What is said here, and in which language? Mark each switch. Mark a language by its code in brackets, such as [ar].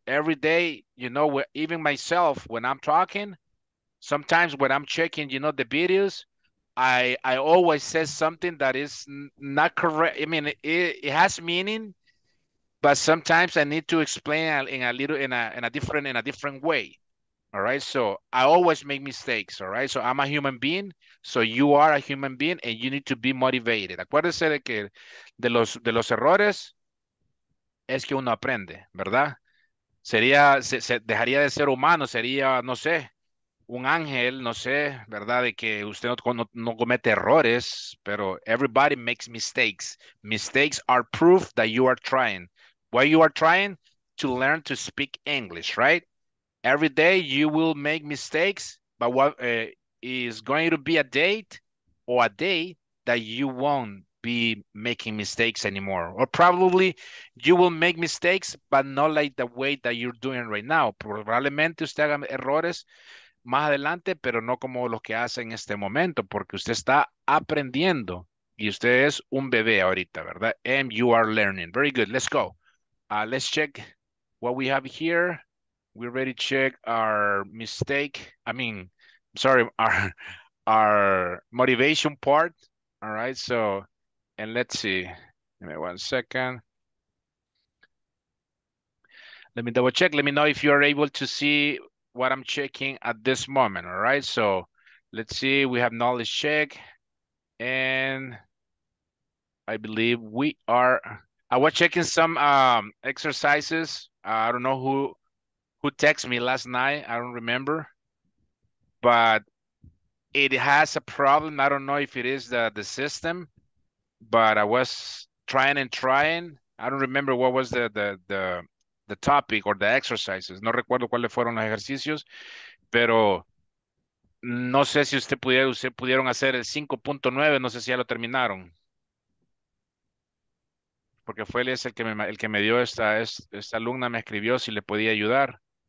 [en] Every day, you know, even myself, when I'm talking, sometimes when I'm checking, you know, the videos, I always say something that is not correct. I mean, it has meaning, but sometimes I need to explain in a different way. All right. So I always make mistakes. All right. So I'm a human being. So you are a human being and you need to be motivated. [es] Acuérdese de que de los errores es que uno aprende, ¿verdad? Se dejaría de ser humano. Sería, no sé, un ángel, no sé, ¿verdad? De que usted no comete errores, pero [en] everybody makes mistakes. Mistakes are proof that you are trying. What you are trying? To learn to speak English, right? Every day you will make mistakes, but what is going to be a date or a day that you won't be making mistakes anymore. Or probably you will make mistakes, but not like the way that you're doing right now. [es] Probablemente usted haga errores más adelante, pero no como los que hace en este momento, porque usted está aprendiendo y usted es un bebé ahorita, ¿verdad? [en] And you are learning. Very good. Let's go. Let's check what we have here. We already check our mistake. I mean, sorry, our motivation part. All right. So, and let's see. Give me 1 second. Let me double check. Let me know if you are able to see what I'm checking at this moment. All right. So, let's see. We have knowledge check. And I believe we are. I was checking some exercises. I don't know who texted me last night. I don't remember, but it has a problem. I don't know if it is the system, but I was trying and trying. I don't remember what was the topic or the exercises. [es] No recuerdo cuáles fueron los ejercicios, pero no sé si usted pudieron hacer el 5.9. No sé si ya lo terminaron. Porque fue el que me dio esta alumna, me escribió si le podía ayudar.